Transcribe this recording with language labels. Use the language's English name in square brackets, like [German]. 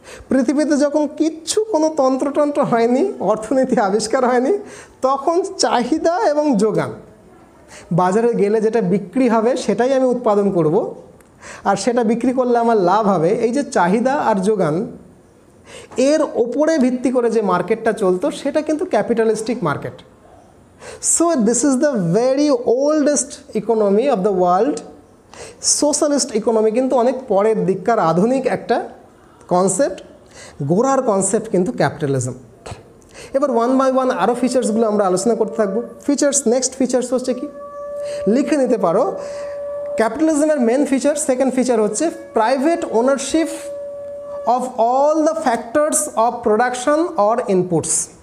[Bangla] পৃথিবীতে যখন কিচ্ছু কোনো তন্ত্রতন্ত্র হয়নি, অর্থনীতি আবিষ্কার হয়নি, তখন চাহিদা এবং যোগান, বাজারে গেলে যেটা বিক্রি হবে সেটাই আমি উৎপাদন করব আর সেটা বিক্রি করলে আমার লাভ হবে, এই যে চাহিদা আর যোগান, এর ওপরে ভিত্তি করে যে মার্কেটটা চলতো সেটা কিন্তু capitalistic market. [English] So this is the very oldest economy of the world. Socialist economy [Bangla] কিন্তু অনেক পরের দিককার আধুনিক একটা কনসেপ্ট, গোড়ার কনসেপ্ট কিন্তু ক্যাপিটালিজম। এবার [English] one by one [Bangla] আরও ফিচার্সগুলো আমরা আলোচনা করতে থাকবো। ফিচার্স, নেক্সট ফিচার্স হচ্ছে কি, লিখে নিতে পারো ক্যাপিটালিজমের মেন ফিচার, সেকেন্ড ফিচার হচ্ছে [English] Private ownership of all the factors of production or inputs.